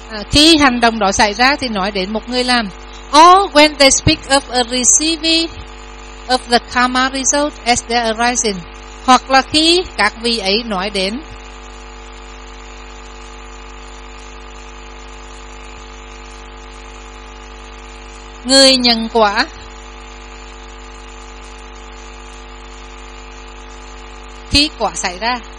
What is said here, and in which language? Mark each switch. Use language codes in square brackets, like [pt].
[vi] Khi hành động đó xảy ra thì nói đến một người làm. [en] Or when they speak of a receiving of the karma result as they arising. [vi] Hoặc là khi các vị ấy nói đến người nhận quả khi quả xảy ra.